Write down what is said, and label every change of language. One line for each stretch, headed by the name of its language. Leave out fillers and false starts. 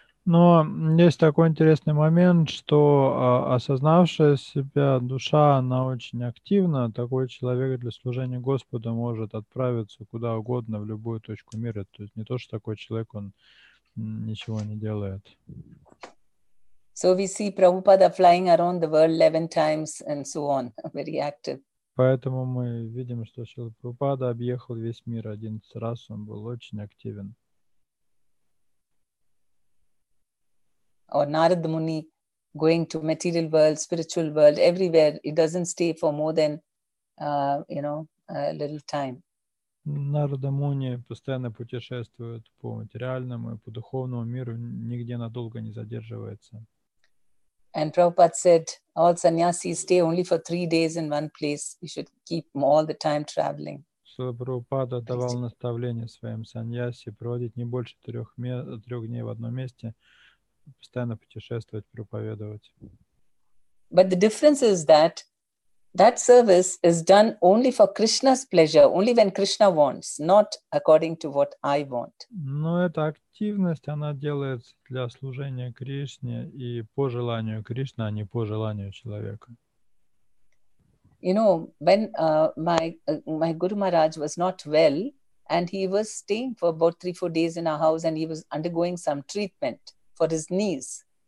Russian: Но есть такой интересный момент, что осознавшая себя душа, она очень активна. Такой человек для служения Господу может отправиться куда угодно, в любую точку мира. То есть не то, что такой человек, он ничего не делает.
English: So we see Prabhupada flying around the world 11 times and so on, very active.
Russian: Поэтому мы видим, что Шрила Прабхупада объехал весь мир 11 раз, он был очень активен.
English: Or Narad Muni going to material world, spiritual world, everywhere. It doesn't stay for more than, you know, a little time.
Russian: Narada Muni постоянно путешествует по материальному и по духовному миру, нигде надолго не задерживается.
English: And Prabhupada said, all sannyasis stay only for 3 days in one place. You should keep all the time traveling.
Russian: Шрила Прабхупада давал наставление своим саньяси проводить не больше трех дней в одном месте. Постоянно путешествовать, проповедовать.
English: But the difference is that that service is done only for Krishna's pleasure, only when Krishna wants, not according to what I want.
Russian: Но эта активность, она делается для служения Кришне и по желанию Кришны, а не по желанию человека.
English: You know, when my Guru Maharaj was not well, and he was staying for about 3-4 days in our house, and he was undergoing some treatment for his knees.